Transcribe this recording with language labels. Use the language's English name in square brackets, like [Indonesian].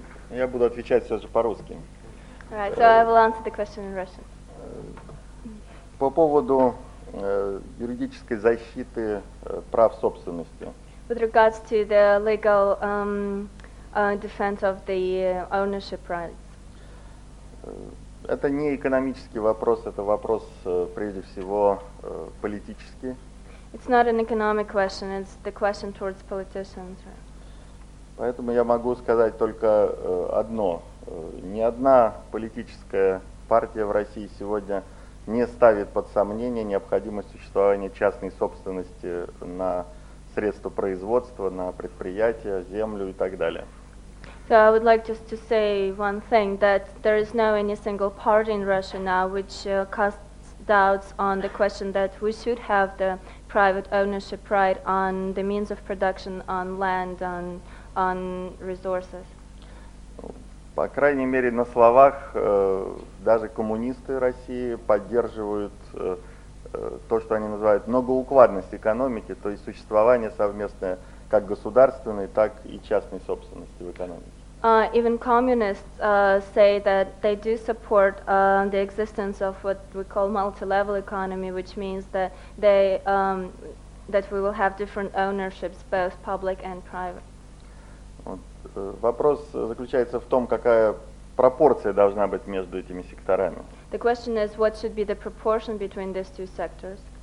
[Russian] Я буду отвечать сразу по-русски. [English] Right, so I will answer the question in Russian. [Russian] По поводу юридической защиты прав собственности. [English] With regards to the legal defense of the ownership rights. [Russian] Это не экономический вопрос, это вопрос прежде всего политический. [English] It's not an economic question, it's the question towards politicians. [Russian] Поэтому я могу сказать только одно. Ни одна политическая партия в России сегодня не ставит под сомнение необходимость существования частной собственности на средства производства, на предприятия, землю и так далее. [English] So I would like just to say one thing, that there is no any single party in Russia now which casts doubts on the question that we should have the private ownership right on the means of production, on land, on resources. [Russian] По крайней мере, на словах даже коммунисты России поддерживают то, что они называют многоукладность экономики, то есть существование совместное как государственной, так и частной собственности в экономике. [English] Even communists say that they do support the existence of what we call multi-level economy, which means that that we will have different ownerships, both public and private. [Russian] Вопрос заключается в том, какая пропорция должна быть между этими секторами. [English] The question is, what should be the proportion between these two sectors?